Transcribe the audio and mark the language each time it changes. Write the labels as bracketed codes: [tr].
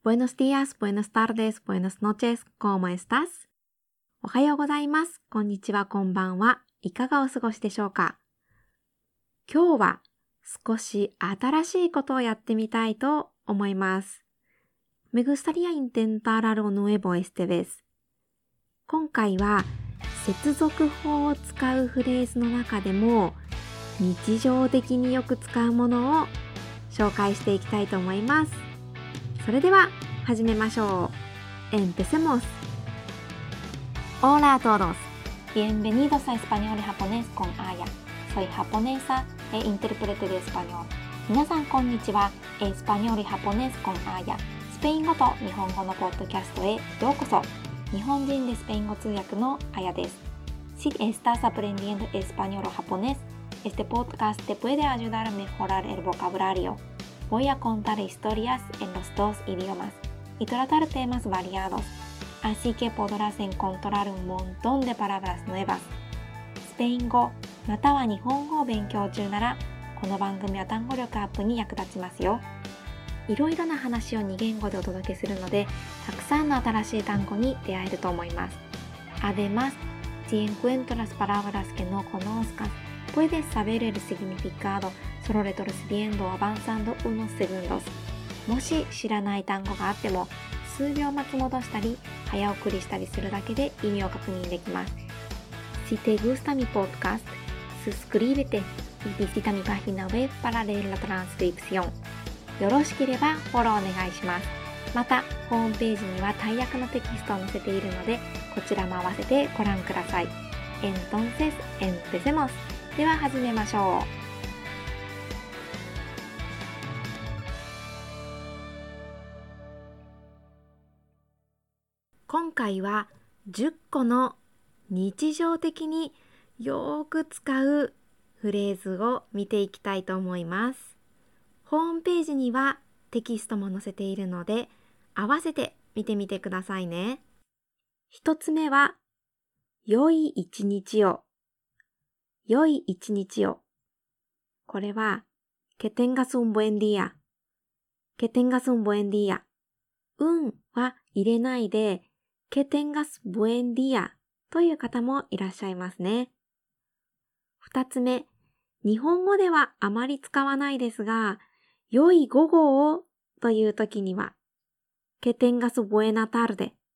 [es] Buenos días, buenas tardes, buenas noches, ¿cómo estás? [ja] おはようございます。こんにちは、こんばんは。いかがお過ごしでしょうか？今日は少し新しいことをやってみたいと思います。 [es] Me gustaría intentar algo nuevo este vez。 [ja] 今回は接続法を使うフレーズの中でも日常的によく使うものを紹介していきたいと思います。それでは始めましょう。 [es] Empecemos。 Hola a todos. Bienvenidos a Español y Japonés con Aya. Soy japonesa e intérprete de español. [ja] 皆さんこんにちは。 [es] Español y Japonés con Aya. [ja] スペイン語と日本語のポッドキャストへようこそ。日本人でスペイン語通訳の Aya です。 [es] Si estás aprendiendo español o japonés, este podcast te puede ayudar a mejorar el vocabulario. Voy a contar historias en los dos idiomas y tratar temas variados, así que podrás encontrar un montón de palabras nuevas. [ja] スペイン語または日本語を勉強中なら、この番組は単語力アップに役立ちますよ。いろいろな話を2言語でお届けするので、たくさんの新しい単語に出会えると思います。 [es] Además, si encuentras palabras que no conozcas, puedes saber el significado. Solo retrocediendo avanzando unos segundos. [ja] もし知らない単語があっても、数秒巻き戻したり、早送りしたりするだけで意味を確認できます。 [es] Si te gusta mi podcast, suscríbete y visita mi página web para leer la transcripción. [ja] よろしければフォローお願いします。また、ホームページには大訳のテキストを載せているので、こちらも合わせてご覧ください。 [es] Entonces, empecemos! [ja] では始めましょう。今回は10個の日常的によく使うフレーズを見ていきたいと思います。ホームページにはテキストも載せているので、合わせて見てみてくださいね。一つ目は、良い一日を。良い一日を。これは、 [es] que tengas un buen día。 que tengas un buen día。 [ja] 運は入れないで、 [es] Que tengas buen día [ja] という方もいらっしゃいますね。二つ目、日本語ではあまり使わないですが、良い午後をという時には、 [es] Que tengas buena tarde。